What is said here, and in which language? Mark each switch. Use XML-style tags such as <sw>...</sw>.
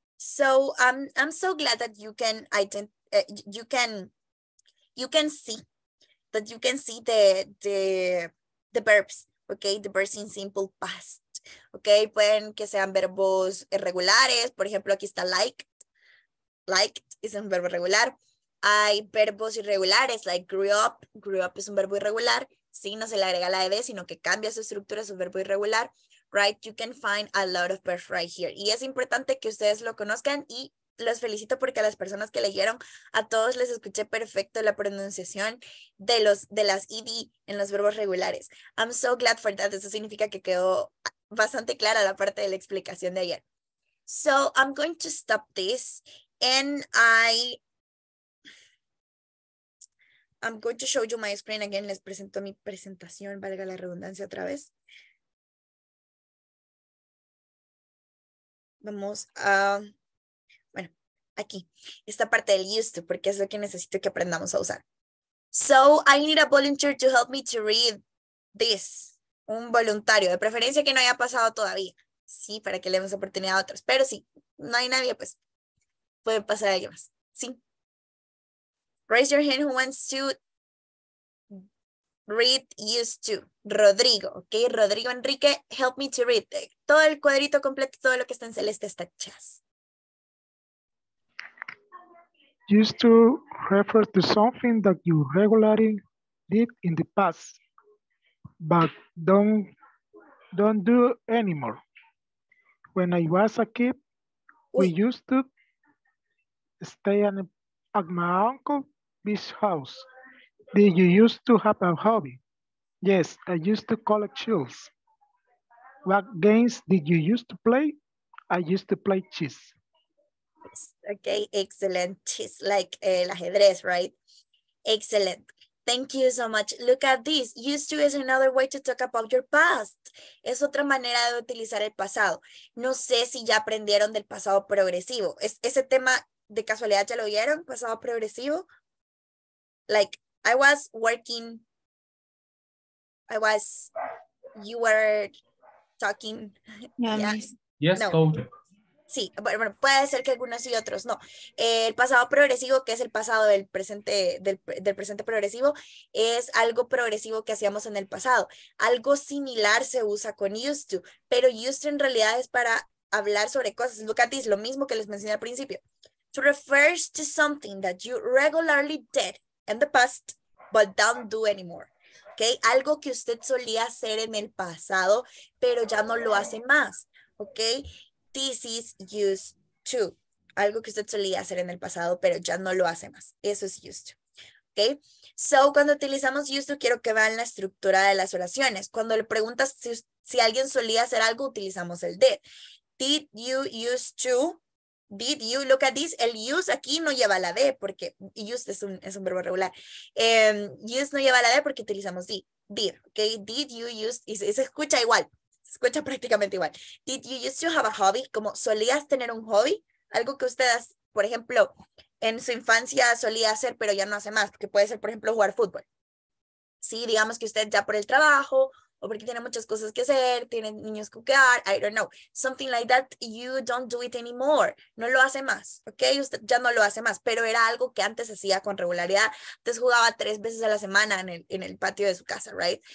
<en>So I'm so glad that you can see that you can see the verbs, okay? The verbs in simple past, okay?</en> <es>Pueden que sean verbos irregulares, por ejemplo, aquí está liked is un verbo regular. Hay verbos irregulares like grew up es un verbo irregular, sí, no se le agrega la ed, sino que cambia su estructura, su verbo irregular.</es> <en>Right, you can find a lot of verbs right here.</en> <es>Y es importante que ustedes lo conozcan y los felicito porque a las personas que leyeron, a todos les escuché perfecto la pronunciación de las ED en los verbos regulares.</es> <en>I'm so glad for that.</en> <es>Eso significa que quedó bastante clara la parte de la explicación de ayer.</es> <en>So I'm going to stop this And I'm going to show you my screen again.</en> <es>Les presento mi presentación, valga la redundancia otra vez. Vamos a, bueno, aquí, esta parte del used to, porque es lo que necesito que aprendamos a usar.</es> <en>So, I need a volunteer to help me to read this.</en> <es>Un voluntario, de preferencia que no haya pasado todavía. Sí, para que le demos oportunidad a otros. Pero sí, no hay nadie, pues, puede pasar a alguien más. Sí.</es> <en>Raise your hand who wants to read used to. Rodrigo, ok. Rodrigo Enrique, help me to read.</en> <es>Todo el cuadrito completo, todo lo que está en celeste está chas.</es> <en>Used to refer to something that you regularly did in the past, but don't do anymore. When I was a kid, we used to stay at my uncle's house. Did you used to have a hobby? Yes, I used to collect shoes. What games did you used to play? I used to play chess. Okay, excellent. It's like el ajedrez, right? Excellent. Thank you so much. Look at this. Used to is another way to talk about your past.</en> <es>Es otra manera de utilizar el pasado. No sé si ya aprendieron del pasado progresivo. Ese tema, de casualidad, ¿ya lo vieron? Pasado progresivo.</es> <en>Like, I was working. You were talking. Yes, no.</en> <es>Sí, bueno, puede ser que algunos y otros no. El pasado progresivo, que es el pasado del presente, del presente progresivo, es algo progresivo que hacíamos en el pasado. Algo similar se usa con used to, pero used to en realidad es para hablar sobre cosas.</es> <en>Look at this,</en> <es>lo mismo que les mencioné al principio.</es> <en>To refer to something that you regularly did in the past, but don't do anymore. Okay?</en> <es>Algo que usted solía hacer en el pasado, pero ya no lo hace más. Okay?</es> <en>This is used to.</en> <es>Algo que usted solía hacer en el pasado, pero ya no lo hace más. Eso es used to. Okay? So, cuando utilizamos used to, quiero que vean la estructura de las oraciones. Cuando le preguntas si alguien solía hacer algo, utilizamos el did.</es> <en>Did you used to? Did you? Look at this.</en> <es>El use aquí no lleva la D, porque used es un verbo regular. Use no lleva la D porque utilizamos did.</es> <en>Did. Okay? Did you used?</en> <es>Y se escucha igual. Escucha prácticamente igual.</es> <en>Did you used to have a hobby?</en> <es>Como solías tener un hobby, algo que ustedes, por ejemplo, en su infancia solía hacer, pero ya no hace más, que puede ser, por ejemplo, jugar fútbol. Sí, digamos que usted ya por el trabajo, o porque tiene muchas cosas que hacer, tiene niños que cuidar,</es> <en>I don't know. Something like that, you don't do it anymore.</en> <es>No lo hace más, ¿ok? Usted ya no lo hace más, pero era algo que antes hacía con regularidad. Antes jugaba 3 veces a la semana en el patio de su casa, right?</es>